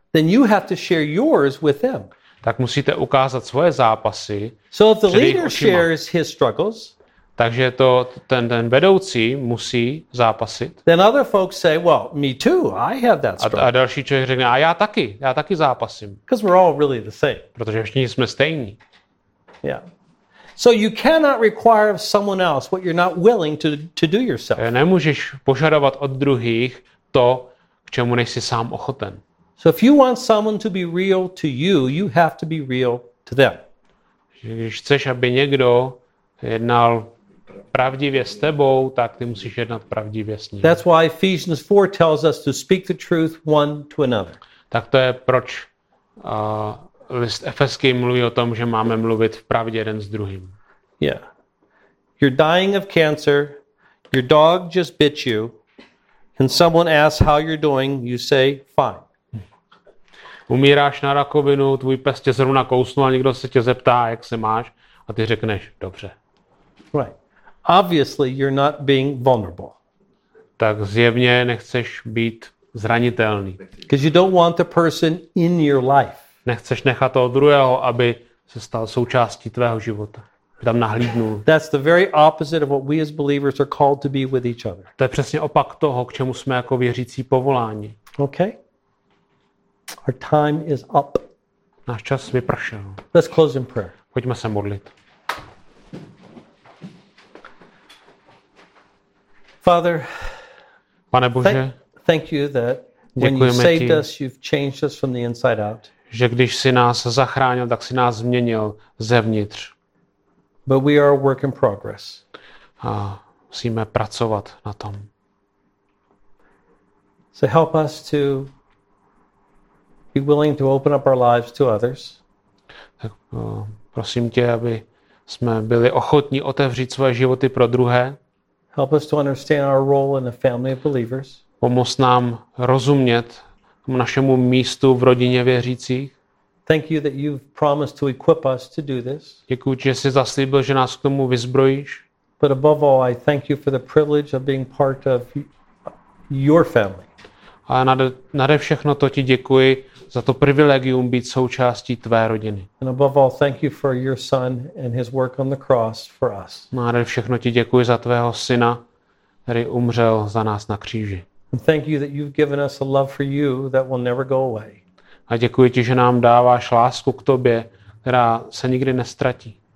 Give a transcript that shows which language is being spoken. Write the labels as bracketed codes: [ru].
[en] Then you have to share yours with them. [cs] Tak musíte ukázat svoje zápasy. [en] So if the leader shares his struggles. [cs] Takže to ten vedoucí musí zápasit. [en] Then other folks say, well, me too. I have that struggle. [cs] A další člověk řekne, a já taky zápasím. [en] Because we're all really the same. [cs] Protože všichni jsme stejní. [en] Yeah. So you cannot require of someone else what you're not willing to do yourself. [cs] Nemůžeš požadovat od druhých to, k čemu nejsi sám ochoten. [en] So if you want someone to be real to you, you have to be real to them. [cs] Když chceš, aby někdo jednal pravdivě s tebou, tak ty musíš jednat pravdivě s ním. [en] That's why Ephesians 4 tells us to speak the truth one to another. [cs] Tak to je proč list Efeským mluví o tom, že máme mluvit v pravdě jeden s druhým. [en] Yeah. You're dying of cancer. Your dog just bit you. And someone asks how you're doing, you say fine. [cs] Umíráš na rakovinu, tvůj pes tě zrovna kousnul a někdo se tě zeptá, jak se máš, a ty řekneš dobře. [en] Right. Obviously you're not being vulnerable. [cs] Tak zjevně nechceš být zranitelný. [en] Because you don't want the person in your life. [cs] Nechceš nechat toho druhého, aby se stal součástí tvého života. Tam nahlídnul. [en] That's the very opposite of what we as believers are called to be with each other. [cs] To je přesně opak toho, k čemu jsme jako věřící povoláni. [en] Okay. Our time is up. [cs] Náš čas vypršel. [en] Let's close in prayer. [cs] Pojďme se modlit. [en] Father, [cs] Pane Bože, [en] thank you that when you saved us, you've changed us from the inside out. [cs] Že když jsi nás zachránil, tak jsi nás změnil zevnitř. [en] But we are a work in progress. [cs] A musíme pracovat na tom. [en] So help us to be willing to open up our lives to others. [cs] Tak prosím tě, aby jsme byli ochotní otevřít svoje životy pro druhé. [en] Help us to understand our role in the family of believers. [cs] Pomoz nám rozumět našemu místu v rodině věřících. [en] Thank you that you've promised to equip us to do this. [cs] Děkuji, že jsi zaslíbil, že nás k tomu vyzbrojíš. [en] But above all, I thank you for the privilege of being part of your family. [cs] A nade všechno to ti děkuji za to privilegium být součástí tvé rodiny. [en] And above all, thank you for your son and his work on the cross for us. [cs] Nade všechno ti děkuji za tvého syna, který umřel za nás na kříži. [en] And thank you that you've given us a love for you that will never go away. [cs] A děkuji ti, že nám dáváš lásku k tobě, která se nikdy nestratí.